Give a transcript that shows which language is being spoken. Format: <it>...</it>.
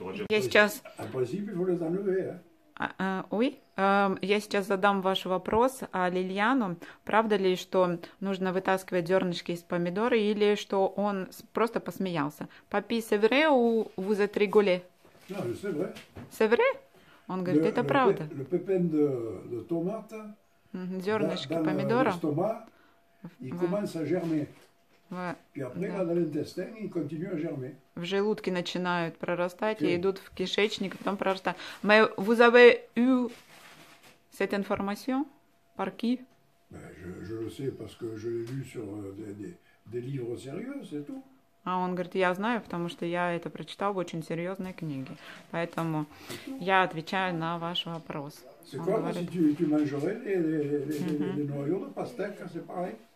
<ru>Я сейчас... Я сейчас задам ваш вопрос Лильяну. Правда ли, что нужно вытаскивать зернышки из помидора, или что он просто посмеялся?</ru> <fr>Папи, c'est vrai ou vous êtes rigolé? Non, c'est vrai. C'est vrai?</fr> <ru>Он говорит, это правда.</ru> <fr>Le pépin de tomate,</fr> <ru>зернышки помидора,</ru> <fr>il commence à germer.</fr> <ru>В желудке начинают прорастать и идут в кишечник, потом прорастают.</ru> <fr>Mais vous avez eu cette information? Par qui? Je le sais parce que je l'ai lu sur des livres sérieux, c'est tout.</fr> <ru>А он говорит, я знаю, потому что я это прочитал в очень серьезной книге. Поэтому я отвечаю на ваш вопрос.</ru> <fr>C'est quoi,</fr> <ru>говорит,</ru> <fr>si tu mangerais les noyaux de pastèque, c'est pareil?</fr>